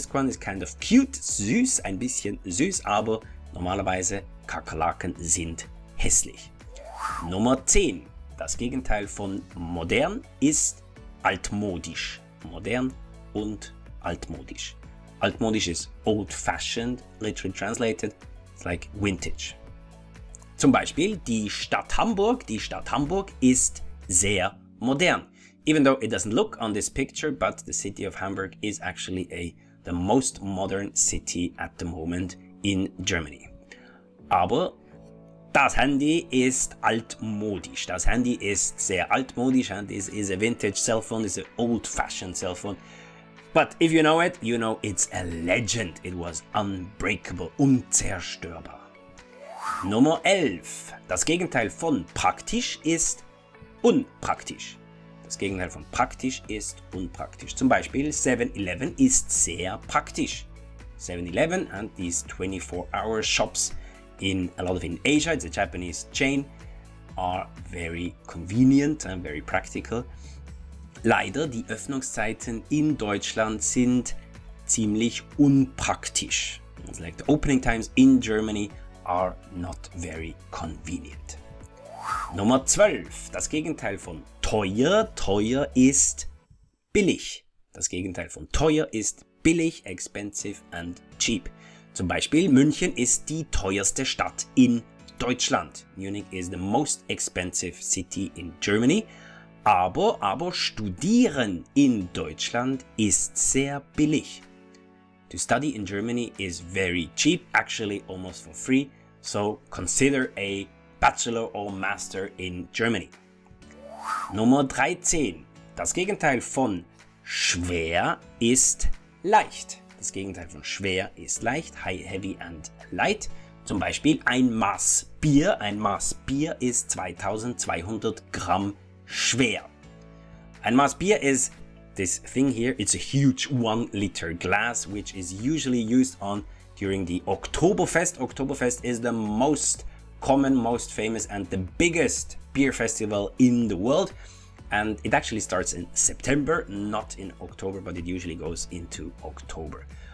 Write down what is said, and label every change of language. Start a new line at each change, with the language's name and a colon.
English: This one is kind of cute,
German: süß, ein bisschen süß, aber normalerweise Kakerlaken sind hässlich. Nummer 10. Das Gegenteil von modern ist altmodisch. Modern und altmodisch.
English: Altmodisch is old-fashioned, literally translated, it's like vintage.
German: Zum Beispiel die Stadt Hamburg ist sehr modern.
English: Even though it doesn't look on this picture, but the city of Hamburg is actually the most modern city at the moment in Germany.
German: Aber das Handy ist altmodisch. Das Handy ist sehr altmodisch
English: and this is a vintage cell phone, it's an old-fashioned cell phone. But if you know it, you know it's a legend. It was unbreakable, unzerstörbar.
German: Nummer 11. Das Gegenteil von praktisch ist unpraktisch. Das Gegenteil von praktisch ist unpraktisch. Zum Beispiel 7-Eleven ist sehr praktisch.
English: 7-Eleven and these 24-hour shops in Asia, it's a Japanese chain, are very convenient and very practical.
German: Leider, die Öffnungszeiten in Deutschland sind ziemlich unpraktisch.
English: It's like the opening times in Germany are not very convenient.
German: Nummer 12. Das Gegenteil von teuer. Teuer ist billig. Das Gegenteil von teuer ist billig,
English: expensive and cheap.
German: Zum Beispiel, München ist die teuerste Stadt in Deutschland.
English: Munich is the most expensive city in Germany.
German: Aber studieren in Deutschland ist sehr billig.
English: To study in Germany is very cheap, actually almost for free. So consider a bachelor or master in Germany.
German: Nummer 13. Das Gegenteil von schwer ist leicht. Das Gegenteil von schwer ist leicht,
English: high, heavy and light.
German: Zum Beispiel ein Maß Bier ist 2200 Gramm schwer.
English: Ein Maß Bier is this thing here. It's a huge 1 liter glass, which is usually used on during the Oktoberfest. Oktoberfest is the most common, most famous and the biggest beer festival in the world. And it actually starts in September, not in October, but it usually goes into October.